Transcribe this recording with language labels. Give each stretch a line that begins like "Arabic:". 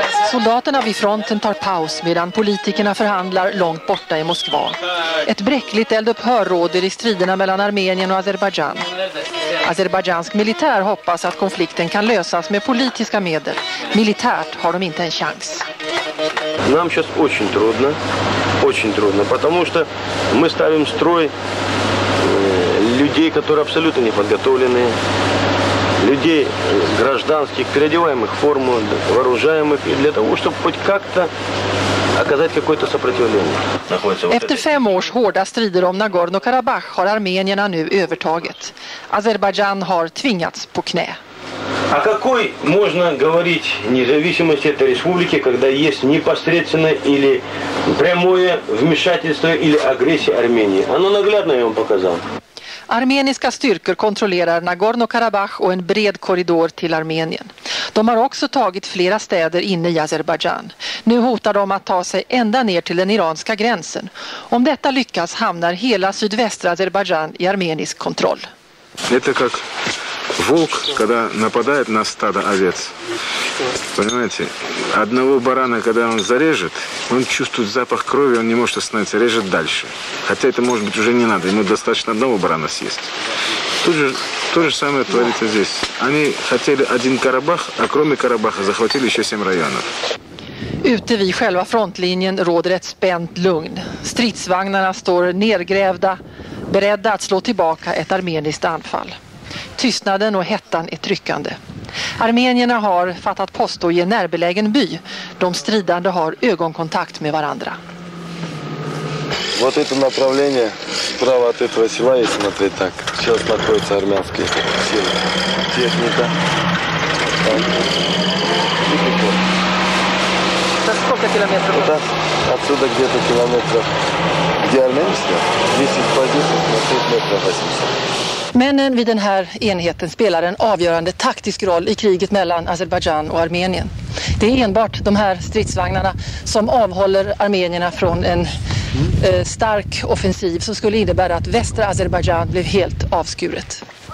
Swedish: Soldaterna vid fronten tar paus medan politikerna förhandlar långt borta i Moskva. Ett bräckligt eldupphör råder i striderna mellan Armenien och Azerbaijan. Azerbaijansk militär hoppas att konflikten kan lösas med politiska medel. Militärt har de inte en chans.
Russian: Нам сейчас очень трудно, потому что мы ставим строй людей, которые абсолютно не подготовлены, людей гражданских, переодеваем их в форму, вооружаем их для того, чтобы хоть как-то оказать какое-то сопротивление.
Swedish: Efter 5 års hårda strider om Nagorno-Karabakh har armenierna nu övertaget. Azerbaijan har tvingats på knä.
Russian: А какой можно говорить независимости этой республики, когда есть непосредственное или прямое вмешательство или агрессия Армении? Оно наглядно я вам показал.
Swedish: Armeniska styrkor kontrollerar Nagorno-Karabakh och en bred korridor till Armenien. De har också tagit flera städer inne i Azerbaijan. Nu hotar de att ta sig ända ner till den iranska gränsen. Om detta lyckas hamnar hela sydvästra Azerbaijan i armenisk kontroll. Det är
Russian: как волк, когда нападает на стадо овец. Понимаете, одного барана, когда он зарежет, он чувствует запах крови, он не может остановиться, режет дальше. Хотя это, может быть, уже не надо, ему достаточно одного барана съесть. Тут же то же самое творится здесь. Они хотели один Карабах, а кроме Карабаха захватили еще 7 районов.
Swedish: Ute vid själva frontlinjen råder ett spänt lugn. Stridsvagnarna står nergrävda, beredda att slå tillbaka ett armeniskt anfall. Tystnaden och hettan är tryckande. Armenierna har fattat posto i en närbelägen by. De stridande har ögonkontakt med varandra.
Russian: Вот это направление справа от этого села, если смотреть так. Сейчас находится армянский сил. Техника. Это сколько километров? Это отсюда где-то километров. Где армянский? 10 позиций, на 5 метров 800.
Swedish: Männen vid den här enheten spelar en avgörande taktisk roll i kriget mellan Azerbaijan och Armenien. Det är enbart de här stridsvagnarna som avhåller armenierna från en stark offensiv som skulle innebära att västra Azerbaijan blev helt avskuret.